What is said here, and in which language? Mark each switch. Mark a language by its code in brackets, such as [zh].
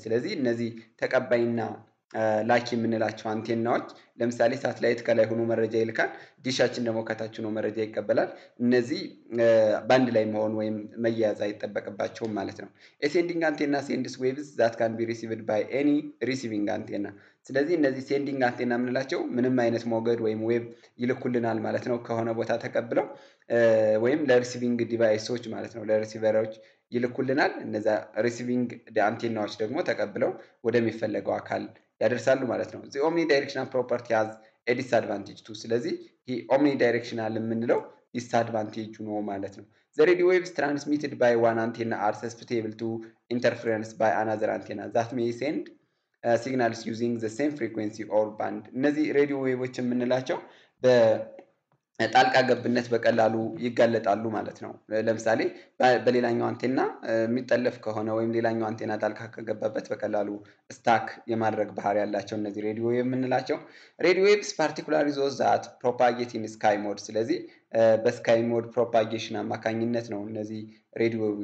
[am] ስለዚህ እነዚህ ተቀባይና ላኪ የምንላቸው አንቴናዎች ለምሳሌ ሳተላይት ከላይ ሆኖ መረጃ ይልካል፣ ዲሻችን ደግሞ ከታች ሆኖ መረጃ ይቀበላል። እነዚህ ባንድ ላይ መሆን ወይም መያያዝ አይጠበቅባቸው ማለት ነው። [en] ሴንዲንግ አንቴና ሴንድስ ዌቭስ ዛት ካን ቢ ሪሲቭድ ባይ ኤኒ ሪሲቪንግ አንቴና። [am] ስለዚህ እነዚህ ሴንዲንግ አንቴና የምንላቸው ምንም አይነት ሞገድ ወይም ዌቭ ይልኩልናል ማለት ነው ከሆነ ቦታ ተቀብለው ወይም ለሪሲቪንግ ዲቫይሶች ማለት ነው ለሪሲቨሮች ይልኩልናል። እነዛ ሪሲቪንግ አንቴናዎች ደግሞ ተቀብለው ወደሚፈለገው አካል ያደርሳሉ ማለት ነው። [en] the omnidirectional property has a disadvantage too. [am] ስለዚህ ይሄ omnidirectional የምንለው disadvantage ነው ማለት ነው። [en] the radio waves transmitted by one antenna are susceptible to interference by another antenna that may send signals using the same frequency or band. [am] እነዚህ radio waves የምንላቸው በ ጣልቃ ገብነት በቀላሉ ይጋለጣሉ ማለት ነው። ለምሳሌ በሌላኛው አንቴና የሚጠለፍ ከሆነ ወይም ሌላኛው አንቴና ጣልቃ ከገባበት በቀላሉ ስታክ የማድረግ ባህሪ ያላቸው እነዚህ ሬዲዮ የምንላቸው። [en] ሬዲዮ ዌቭስ ፓርቲኩላር ዞዝ ዛት ፕሮፓጌት ኢን ስካይ ሞድ። [am] ስለዚህ በስካይ ሞድ ፕሮፓጌሽን አማካኝነት ነው እነዚህ ሬዲዮ